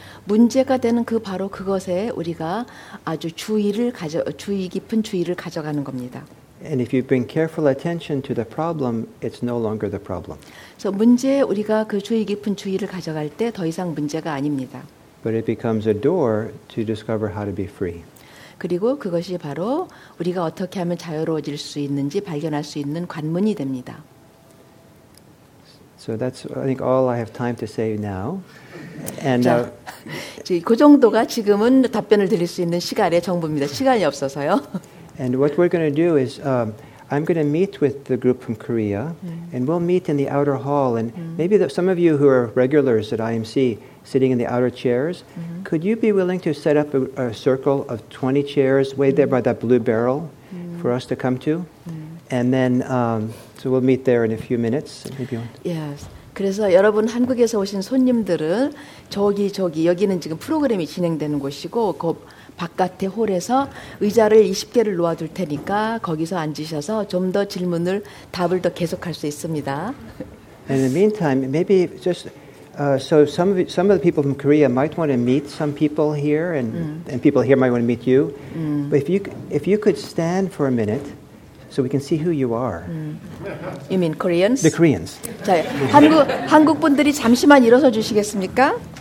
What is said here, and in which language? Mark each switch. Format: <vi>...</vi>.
<ko>문제가 되는 그 바로 그것에 우리가 아주 주의를 가져 주의 깊은 주의를 가져가는 겁니다.</ko> <en>And if you bring careful attention to the problem, it's no longer the problem.</en> <ko>So 문제 우리가 그 주의 깊은 주의를 가져갈 때 더 이상 문제가 아닙니다.</ko> <en>But it becomes a door to discover how to be free.</en> <ko>그리고 그것이 바로 우리가 어떻게 하면 자유로워질 수 있는지 발견할 수 있는 관문이 됩니다.</ko> <en>So that's I think all I have time to say now.</en> <ko>And 자, 그 정도가 지금은 답변을 드릴 수 있는 시간의 정보입니다. 시간이 없어서요.</ko> <en>And what we're going to do is I'm going to meet with the group from Korea and we'll meet in the outer hall and maybe the, some of you who are regulars at IMC sitting in the outer chairs, could you be willing to set up a circle of 20 chairs way there by that blue barrel for us to come to? And then, so we'll meet there in a few minutes. Maybe you want to... Yes.</en> <ko>그래서 여러분 한국에서 오신 손님들은 저기 저기 여기는 지금 프로그램이 진행되는 곳이고 그 바깥의 홀에서 의자를 20개를 놓아둘 테니까 거기서 앉으셔서 좀 더 질문을 답을 더 계속할 수 있습니다.</ko> <en>And in the meantime, maybe just so some of the people from Korea might want to meet some people here, and and people here might want to meet you. But if you could stand for a minute. So we can see who you are. You mean Koreans? The Koreans.</en> <ko>자, 한국 분들이 잠시만 일어서 주시겠습니까?</ko>